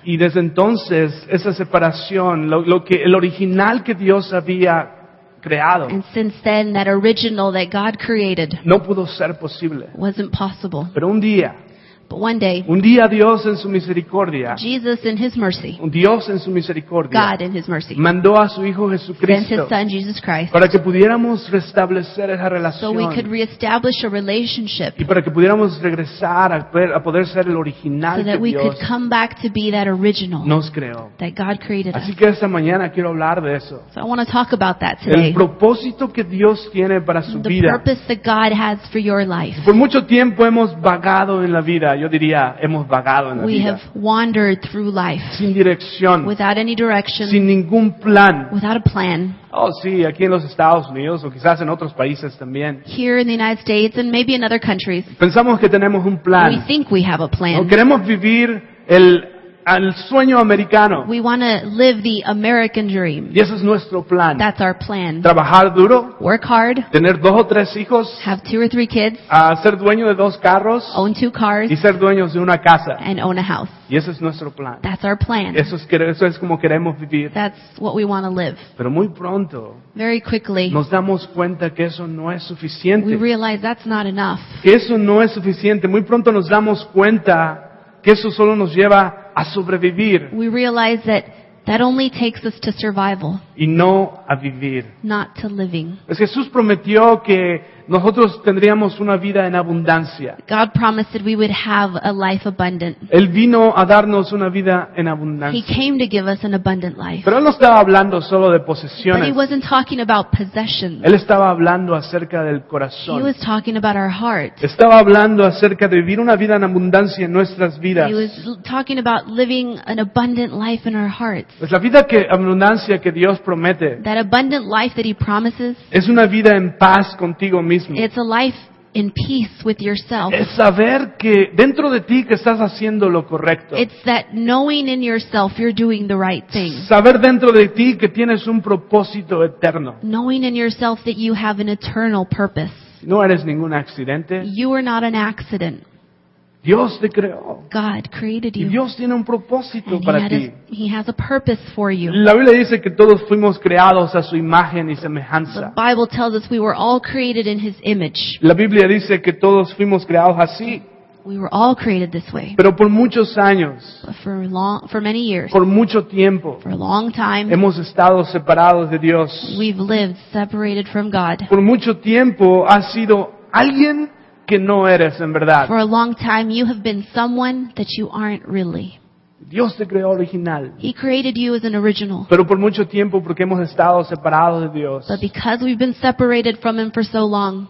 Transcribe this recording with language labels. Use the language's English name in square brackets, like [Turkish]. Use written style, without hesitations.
[Spanish] Y desde entonces, esa separación, lo que el original que Dios había creado. [English] And since then, that original that God created. [Spanish] No pudo ser posible. [English] Wasn't possible. [Spanish] Pero un día. [English] But one day, [Spanish] un día Dios en su misericordia, [English] Jesus in his mercy, [Spanish] Dios en su misericordia, [English] God in his mercy, [Spanish] mandó a su hijo Jesucristo, [English] sent his son Jesus Christ, [Spanish] para que pudiéramos restablecer esa relación, [English] so we could reestablish a relationship, [Spanish] y para que pudiéramos regresar a poder ser el original, [English] so that we could come back to be that original, [Spanish] nos creó, [English] that God created [Spanish] así Así que esta mañana quiero hablar de eso. [English] So I want to talk about that today. [Spanish] El propósito que Dios tiene para su [English] the [Spanish] vida. [English] The purpose that God has for your life. [Spanish] Por mucho tiempo hemos vagado en la vida. Yo diría, hemos vagado en la [English] we [Spanish] vida. [English] Have wandered through life [Spanish] sin dirección, [English] without any direction, [Spanish] sin ningún plan, [English] without a plan. [Spanish] Oh, sí, aquí en los Estados Unidos o quizás en otros países también. [English] Here in the United States and maybe in other countries. [Spanish] Pensamos que tenemos un plan. [English] We think we have a plan. [Spanish] No queremos vivir el al sueño americano. [English] We want to live the American dream. [Spanish] Y ese es nuestro plan. [English] That's our plan. [Spanish] Trabajar duro. [English] Work hard. [Spanish] Tener dos o tres hijos. [English] Have two or three kids. [Spanish] Ser dueño de dos carros. [English] Own two cars. [Spanish] Y ser dueños de una casa. [English] And own a house. [Spanish] Y ese es nuestro plan. [English] That's our plan. [Spanish] Eso es como queremos vivir. [English] That's what we want to live. [Spanish] Pero muy pronto. [English] Very quickly. [Spanish] Nos damos cuenta que eso no es suficiente. [English] We realize that's not enough. [Spanish] Que eso no es suficiente. Muy pronto nos damos cuenta que eso solo nos lleva a sobrevivir. [English] We realize that only takes us to survival. [Spanish] Y no a vivir. [English] Not to living. [Spanish] Pues Jesús prometió que nosotros tendríamos una vida en abundancia. [English] God promised that we would have a life abundant. [Spanish] Él vino a darnos una vida en abundancia. [English] He came to give us an abundant life. [Spanish] Pero él no estaba hablando solo de posesiones. [English] But he wasn't talking about possessions. [Spanish] Él estaba hablando acerca del corazón. [English] He was talking about our heart. [Spanish] Estaba hablando acerca de vivir una vida en abundancia en nuestras vidas. [English] He was talking about living an abundant life in our hearts. [Spanish] Pues la vida que abundancia que Dios promete. [English] That abundant life that he promises. [Spanish] Es una vida en paz contigo. [English] It's a life in peace with yourself. [Spanish] Es saber que dentro de ti que estás haciendo lo correcto. [English] It's that knowing in yourself you're doing the right thing. [Spanish] Saber dentro de ti que tienes un propósito eterno. [English] Knowing in yourself that you have an eternal purpose. [Spanish] No eres ningún accidente. [English] You are not an accident. [Spanish] Dios te creó. [English] God created you. [Spanish] Y Dios tiene un propósito para ti. [English] He has a purpose for you. [Spanish] La Biblia dice que todos fuimos creados a su imagen y semejanza. [English] The Bible tells us we were all created in his image. [Spanish] La Biblia dice que todos fuimos creados así. [English] We were all created this way. [Spanish] Pero por muchos años. [English] For many years. [Spanish] Por mucho tiempo. [English] For a long time. [Spanish] Hemos estado separados de Dios. [English] We've lived separated from God. [Spanish] Por mucho tiempo has sido alguien que no eres en verdad. [English] For a long time you have been someone that you aren't really. [Spanish] Dios te creó original. [English] He created you as an original. [Spanish] Pero por mucho tiempo porque hemos estado separados de Dios. [English] But because we've been separated from him for so long.